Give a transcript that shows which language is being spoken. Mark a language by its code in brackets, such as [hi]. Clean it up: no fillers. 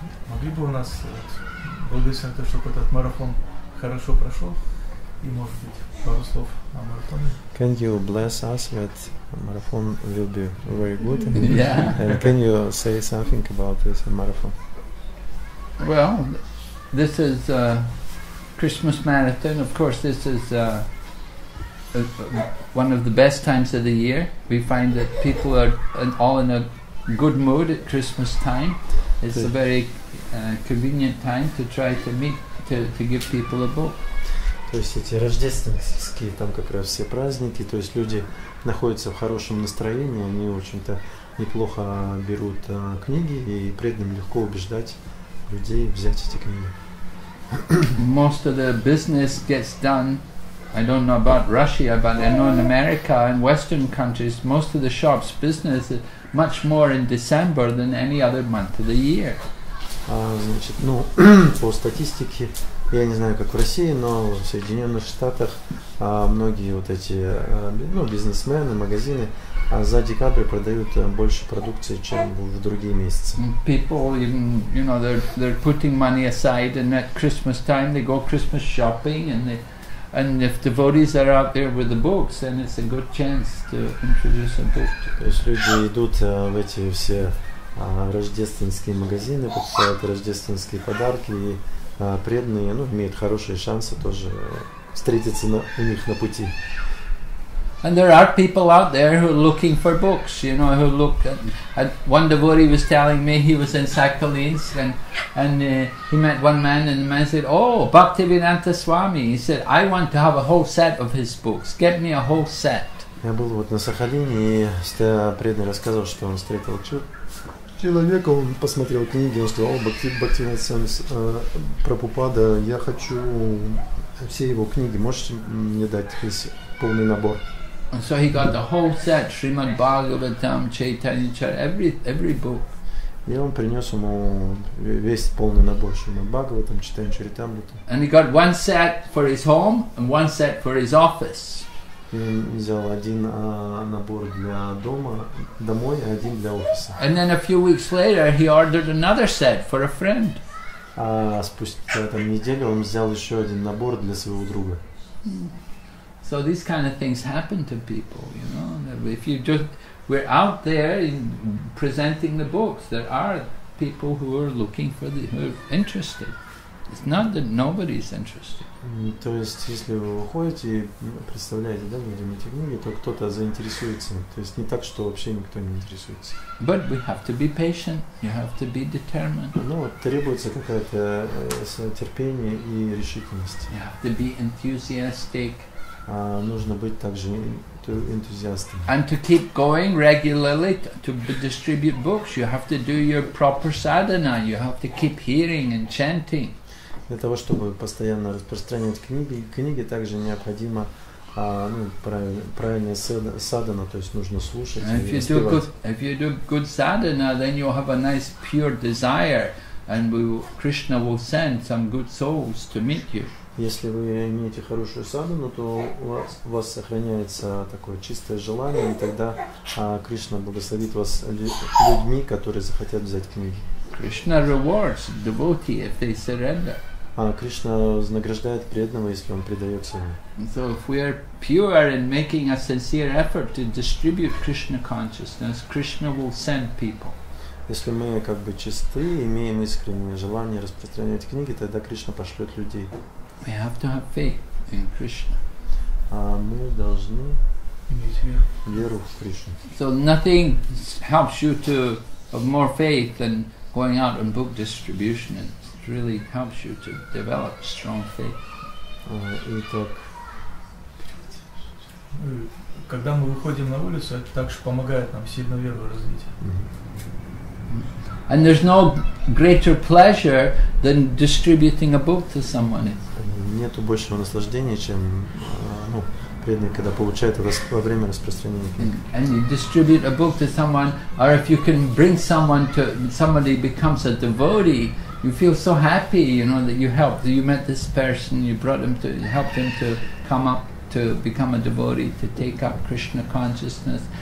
[ru] Могли бы у нас благословить то, чтобы этот марафон хорошо прошел, и может быть пару слов о марафоне. [en] Can you bless us that marathon will be very good? And yeah. And can you say something about this marathon? Well, this is a Christmas marathon. Of course, this is one of the best times of the year. We find that people are all in a good mood at Christmas time. It's a very convenient time to try to meet, to give people a book. [ru] То есть эти рождественские, там как раз все праздники, то есть люди находятся в хорошем настроении, они, в общем-то, неплохо берут книги, и преданным легко убеждать людей взять эти книги. [en] Most of the business gets done, I don't know about Russia, but I know in America and Western countries, most of the shops' business is much more in December than any other month of the year. [ru] Значит, ну, по статистике, я не знаю, как в России, но в Соединенных Штатах многие вот эти ну, бизнесмены, магазины за декабрь продают больше продукции, чем в другие месяцы. [en] People even, you know, they're putting money aside, and at Christmas time they go Christmas shopping, and if devotees are out there with the books, then it's a good chance to introduce a book. [ru] То есть люди идут в эти все рождественские магазины, покупают рождественские подарки, и преданные, ну, имеют хорошие шансы тоже встретиться у них на пути. [en] And there are people out there who are looking for books, you know, who look at one devotee was telling me he was in Sakhalinsk, and he met one man, and the man said, oh, Bhaktivedanta Swami, he said, I want to have a whole set of his books, get me a whole set. [ru] Я был вот на Сахалине, и преданный рассказывал, что он встретил человека, он посмотрел книги, он сказал, Бхактивинода Прабхупада, я хочу все его книги, можете мне дать весь полный набор? [en] And so he got the whole set, Srimad Bhagavatam, Chaitanya Charitamrita, every book. [ru] И он принес ему весь полный набор Srimad Bhagavatam, Chaitanya Charitamrita. [en] And he got one set for his home and one set for his office. [ru] И он взял один набор для дома, домой, и один для офиса. [en] And then a few weeks later he ordered another set for a friend. [ru] А спустя там неделю он взял еще один набор для своего друга. [en] So these kind of things happen to people, you know. If you just, we're out there in presenting the books, there are people who are looking for the, who are interested. It's not that nobody is interested. [ru] То есть, если вы выходите и представляете, да, людям эти книги, то кто-то заинтересуется. То есть не так, что вообще никто не интересуется. [en] But we have to be patient. You have to be determined. [ru] Ну, вот требуется какое-то терпение и решительность. [en] You have to be enthusiastic. [ru] Нужно быть также энтузиастом. [en] And to keep going regularly to distribute books, you have to do your proper sadhana. You have to keep hearing and chanting. [ru] Для того, чтобы постоянно распространять книги также необходимо правильная садхана, то есть нужно слушать и успевать. [en] If you do good sadhana, then you'll have a nice pure desire, and Krishna will send some good souls to meet you. [ru] Если вы имеете хорошую садхану, то у вас сохраняется такое чистое желание, и тогда Кришна благословит вас людьми, которые захотят взять книги. [en] Krishna rewards devotee if they surrender. [ru] Кришна вознаграждает преданного, если он предается ему. [en] So if we are pure in making a sincere effort to distribute Krishna consciousness, Krishna will send people. [ru] Если мы как бы чисты, имеем искреннее желание распространять книги, тогда Кришна пошлет людей. [en] We have to have faith in Krishna. [ru] Мы должны веру в Кришну. [en] So nothing helps you to have more faith than going out on book distribution. It really helps you to develop strong faith. [ru] Итак, когда мы выходим на улицу, это также помогает нам сильно веру развить. [en] And there's no greater pleasure than distributing a book to someone. [ru] Нету большего наслаждения, чем преданный, когда получает во время распространения книги. [en] And you distribute a book to someone, or if you can bring someone to somebody becomes a devotee, you feel so happy, you know, that you helped, you met this person, you brought him to, you helped him to come up to become a devotee, to take up Krishna consciousness.